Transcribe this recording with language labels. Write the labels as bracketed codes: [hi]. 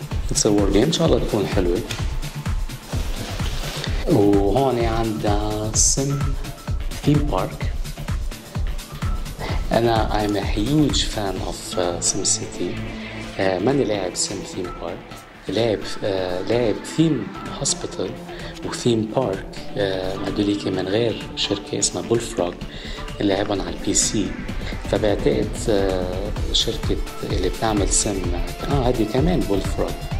[en] It's a war game. [ar] إن شاء الله تكون حلوة. وهون عند سم theme park. أنا [en] I'm a huge fan of Sim City. [ar] ماني لاعب سم theme park. لعب ثيم هوسبيتال وثيم بارك. هدوليك من غير شركة اسمها بولفروغ اللي لعبهم على البي سي، فبعتقد شركة اللي بتعمل سم هدي كمان بولفروغ.